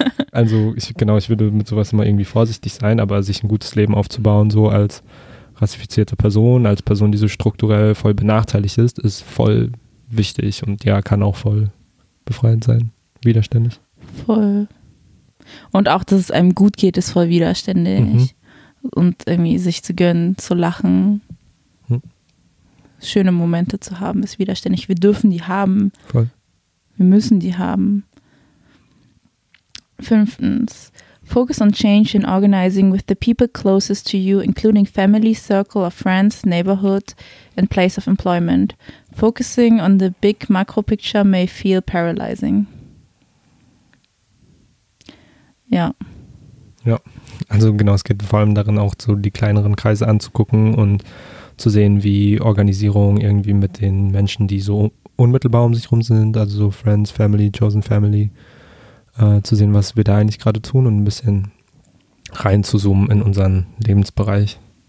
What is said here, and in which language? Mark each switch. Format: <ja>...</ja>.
<de>Also ich würde mit sowas immer irgendwie vorsichtig sein, aber sich ein gutes Leben aufzubauen, so als rassifizierte Person, als Person, die so strukturell voll benachteiligt ist, ist voll wichtig und ja, kann auch voll befreiend sein, widerständig. Voll. Und auch, dass es einem gut geht, ist voll widerständig. Mhm. Und irgendwie sich zu gönnen, zu lachen, schöne Momente zu haben, ist widerständig. Wir dürfen die haben. Voll. Wir müssen die haben.</de> <en>Fünftens, focus on change in organizing with the people closest to you, including family, circle of friends, neighborhood and place of employment. Focusing on the big macro picture may feel paralyzing.</en> <de>Ja. Ja, also genau, es geht vor allem darin auch, so die kleineren Kreise anzugucken und zu sehen, wie Organisierung irgendwie mit den Menschen, die so unmittelbar um sich rum sind, also so Friends, Family, Chosen Family, zu sehen, was wir da eigentlich gerade tun und ein bisschen rein zu zoomen in unseren Lebensbereich.</de>